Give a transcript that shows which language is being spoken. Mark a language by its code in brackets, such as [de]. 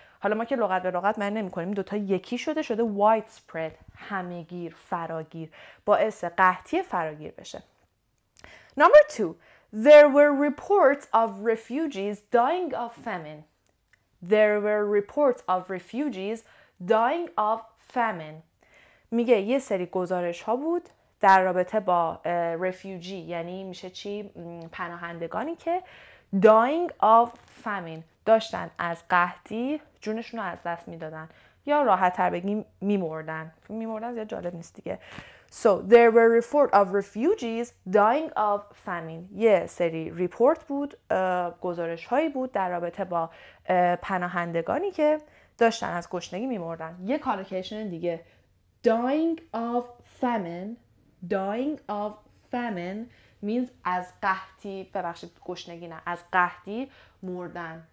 [fa] حالا ما که لغت به لغت معنی نمی کنیم، دوتا یکی شده، شده widespread، همگیر، فراگیر، باعث قحطی فراگیر بشه. [en] Number two, there were reports of refugees dying of famine. There were reports of refugees dying of famine. [fa] میگه یه سری گزارش ها بود در رابطه با رفیوجی، یعنی میشه چی؟ پناهندگانی که [en] dying of famine، [fa] داشتن از قحطی جونشون رو از دست میدادن، یا راحت تر بگیم میمردن. میمردن زیاد جالب نیست دیگه. [en] So there were report of refugees dying of famine. [fa] یه سری ریپورت بود، گزارش هایی بود در رابطه با پناهندگانی که داشتن از گشنگی میمردن. یه کالوکیشن دیگه، [en] dying of famine. Dying of famine means [fa] از قحطی، ببخشید گشنگی نه، از قحطی مردن.